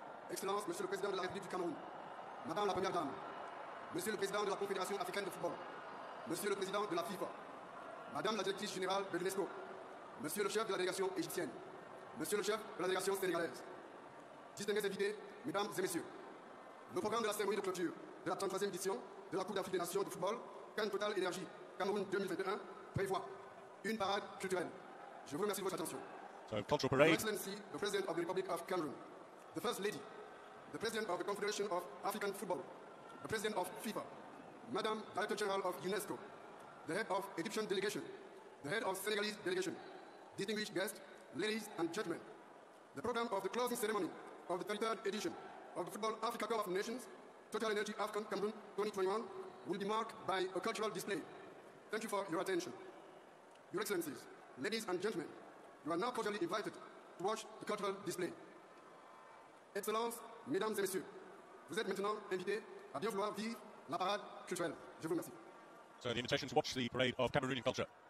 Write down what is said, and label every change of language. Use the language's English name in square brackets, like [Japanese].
[French] Excellence, Monsieur le Président de la République du Cameroun, Madame la Première Dame, Monsieur le Président de la Confédération Africaine de Football, Monsieur le Président de la FIFA, Madame la Directrice Générale de l'UNESCO, Monsieur le Chef de la Délégation Égyptienne, Monsieur le Chef de la Délégation Sénégalaise, distingués invités, Mesdames et Messieurs, le programme de la cérémonie de clôture de la 33e édition de la Coupe d'Afrique des Nations de Football, CAN Total Énergie Cameroun 2021, prévoit une parade culturelle. Je vous remercie de votre attention. [English] So, cultural parade. Your Excellency, the President of the Republic of Cameroon, the First Lady, the President of the Confederation of African Football, the President of FIFA, Madame Director General of UNESCO, the Head of Egyptian Delegation, the Head of Senegalese Delegation, distinguished guests, ladies and gentlemen, the program of the closing ceremony of the 33rd edition of the Football Africa Cup of Nations, Total Energy Afcon Cameroon 2021, will be marked by a cultural display. Thank you for your attention. Your Excellencies, ladies and gentlemen, you are now cordially invited to watch the cultural display. [French] Excellences, Mesdames et Messieurs, vous êtes maintenant invités à bien vouloir vivre la parade culturelle. Je vous remercie. [English] So the invitation to watch the parade of Cameroonian culture.